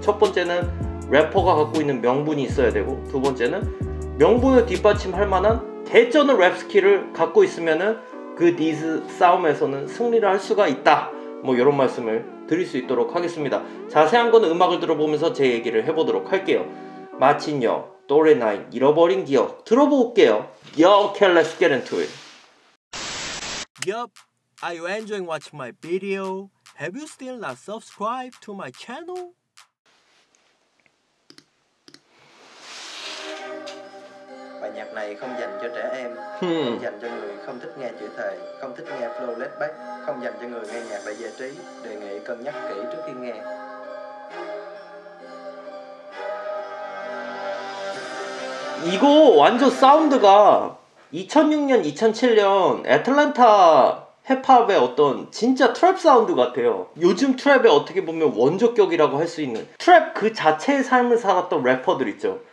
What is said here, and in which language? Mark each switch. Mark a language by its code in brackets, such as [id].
[ko] 첫 번째는 래퍼가 갖고 있는 명분이 있어야 되고, 두 번째는 명분을 뒷받침할 만한 대전의 랩 스킬을 갖고 있으면은 그 니즈 싸움에서는 승리를 할 수가 있다. 뭐 이런 말씀을 드릴 수 있도록 하겠습니다. 자세한 건 음악을 들어보면서 제 얘기를 해보도록 할게요. 마친녀, 또래나인, 잃어버린 기억 들어볼게요. [en] Yo, okay, let's get into it. Yup, are you enjoying watching my video? Have you still not subscribed to my channel? [vi] Nhạc này không dành cho trẻ em, không dành cho người không thích nghe chữ thề, không thích nghe flow laid back, không dành cho người nghe nhạc để giải trí. Đề nghị cân nhắc kỹ trước khi nghe. [ko] Ego, 완전 사운드가 2006년, 2007년 애틀랜타 힙합의 어떤 진짜 트랩 사운드 같아요. 요즘 트랩의 어떻게 보면 원조격이라고 할 수 있는 트랩 그 자체의 삶을 살았던 래퍼들 있죠.